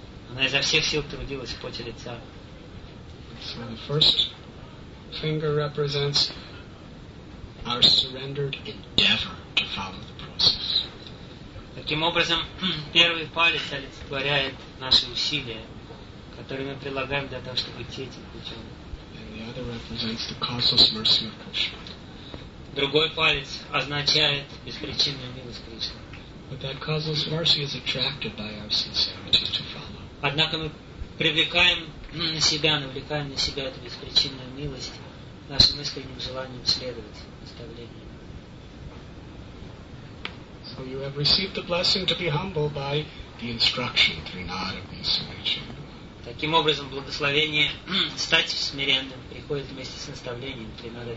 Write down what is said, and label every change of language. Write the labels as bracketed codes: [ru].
[ru] Она изо всех сил трудилась в поте лица. [en] So the first finger represents our surrendered endeavor to follow the process. [ru] Таким образом, первый палец олицетворяет наши усилия, которые мы прилагаем для того, чтобы идти этим путем. [en] And the other represents the causeless mercy of Krishna. [ru] Другой палец означает беспричинную милость Кришны. [en] But that causeless mercy is attracted by our sincerity to follow. [ru] Однако мы привлекаем на себя, навлекаем на себя эту беспричинную милость нашим искренним желанием следовать наставлениям. [en] So you have received the blessing to be humble by the instruction through Narada Vyasa. [ru] Таким образом, благословение стать смиренным приходит вместе с наставлением Тринада